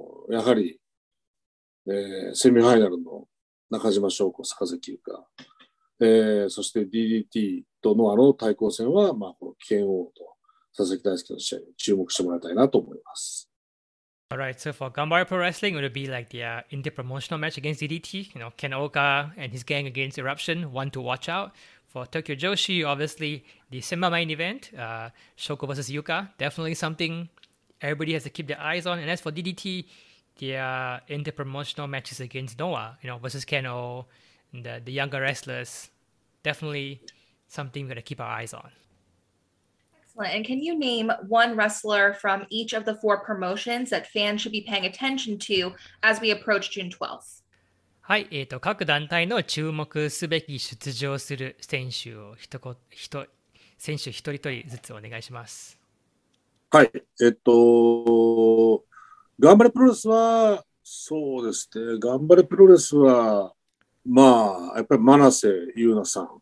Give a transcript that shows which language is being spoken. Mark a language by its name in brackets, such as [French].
[Japanese] やはり、セミファイナルの中島翔子、坂崎優香、そして DDT との対抗戦は、まあ、この剣王と佐々木大輔の試合に注目してもらいたいなと思います。 [English] Alright, so for Gambara Pro Wrestling, it would be like the inter-promotional match against DDT, you know, Ken Oka and his gang against Eruption, one to watch out. For Tokyo Joshi, obviously, the semi-main event, Shoko versus Yuka, definitely something everybody has to keep their eyes on. And as for DDT, the inter-promotional matches against Noah, you know, versus Ken O, and the younger wrestlers, definitely something we've got to keep our eyes on. Excellent. And can you name one wrestler from each of the four promotions that fans should be paying attention to as we approach June 12th? [Japanese] はい、各団体の注目すべき出場する選手を選手一人一人ずつお願いします。はい、頑張れプロレスは、そうですね、頑張れプロレスは、まあ、やっぱり真瀬優奈さん。